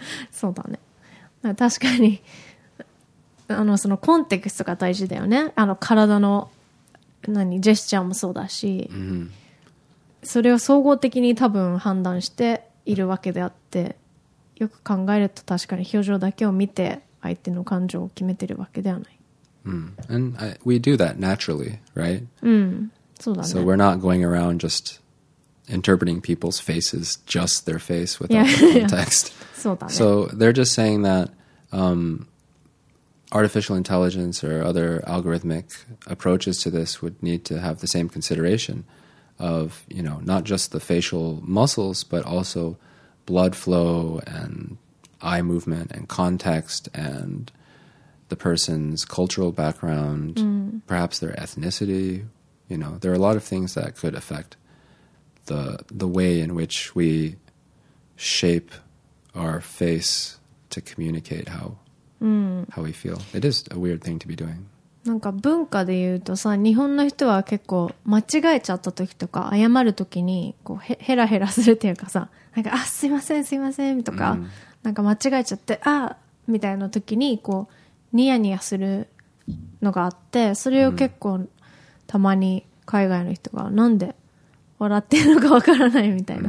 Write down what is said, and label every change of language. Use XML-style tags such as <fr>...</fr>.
<ja>そうだね、確かにあのそのコンテクストが大事だよね、あの体の何ジェスチャーもそうだし、 mm-hmm. それを総合的に多分判断しているわけであって、よく考えると確かに表情だけを見て相手の感情を決めてるわけではない、</ja> <en>mm. And we do that naturally, right?</en> <ja>そうだね。</ja> <en>So we're not going around just interpreting people's faces, just their face without context.</en> <ja>そうだね。</ja> <en>So they're just saying that、artificial intelligence or other algorithmic approaches to this would need to have the same considerationof, you know, not just the facial muscles, but also blood flow and eye movement and context and the person's cultural background,、 mm. perhaps their ethnicity. You know, there are a lot of things that could affect the way in which we shape our face to communicate how,、 mm. how we feel. It is a weird thing to be doing.</en> <ja>なんか文化で言うとさ、日本の人は結構間違えちゃった時とか謝る時にこうヘラヘラするっていうかさ、なんかあすいませんすいませんとか、うん、なんか間違えちゃってあみたいな時にこうニヤニヤするのがあって、それを結構たまに海外の人がなんで笑ってるのかわからないみたいな、</ja>